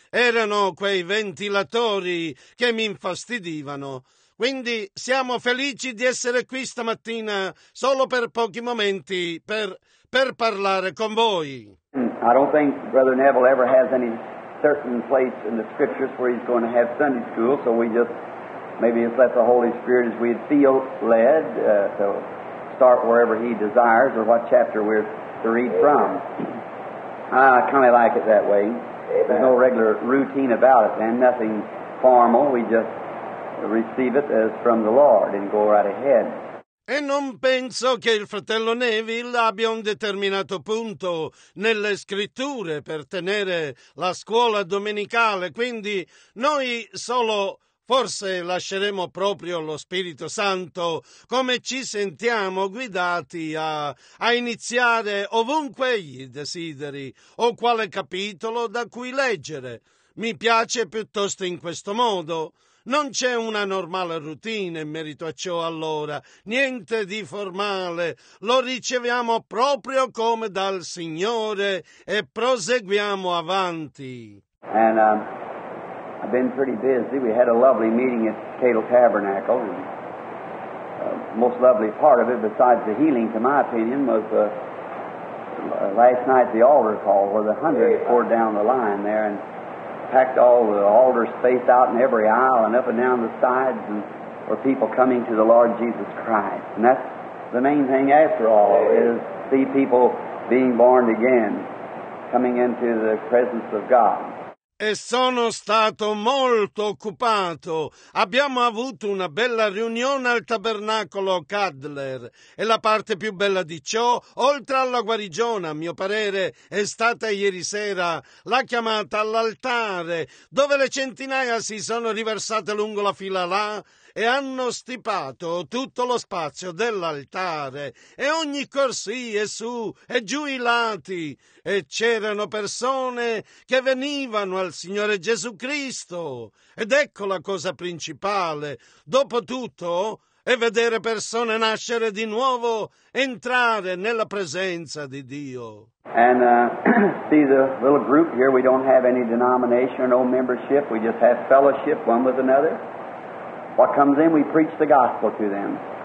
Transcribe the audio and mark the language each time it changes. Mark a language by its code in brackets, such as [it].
[it] Erano quei ventilatori che mi infastidivano. Quindi siamo felici di essere qui stamattina solo per pochi momenti per parlare con voi. [en] I don't think Brother Neville ever has any certain place in the scriptures where he's going to have Sunday school, so we just maybe it's let the Holy Spirit, as we feel led, to start wherever He desires or what chapter we're to read from. I kind of like it that way. Amen. There's no regular routine about it, and nothing formal. We just receive it as from the Lord and go right ahead. [it] E non penso che il fratello Neville abbia un determinato punto nelle scritture per tenere la scuola domenicale. Quindi noi solo forse lasceremo proprio lo Spirito Santo come ci sentiamo guidati a iniziare ovunque egli desideri o quale capitolo da cui leggere. Mi piace piuttosto in questo modo. Non c'è una normale routine in merito a ciò allora, niente di formale. Lo riceviamo proprio come dal Signore e proseguiamo avanti. [en] And, I've been pretty busy. We had a lovely meeting at Cato Tabernacle. And the most lovely part of it, besides the healing, to my opinion, was last night the altar call where the hundreds poured down the line there and packed all the altar space out in every aisle and up and down the sides and were people coming to the Lord Jesus Christ. And that's the main thing after all, is see people being born again, coming into the presence of God. [it] E sono stato molto occupato. Abbiamo avuto una bella riunione al tabernacolo Cadler. E la parte più bella di ciò, oltre alla guarigione, a mio parere, è stata ieri sera la chiamata all'altare, dove le centinaia si sono riversate lungo la fila là e hanno stipato tutto lo spazio dell'altare e ogni corsia su e giù i lati. E c'erano persone che venivano al Signore Gesù Cristo. Ed ecco la cosa principale. Dopotutto è vedere persone nascere di nuovo, entrare nella presenza di Dio. [en] And see the little group here, we don't have any denomination or no membership, we just have fellowship one with another. What comes in, we preach the gospel to them.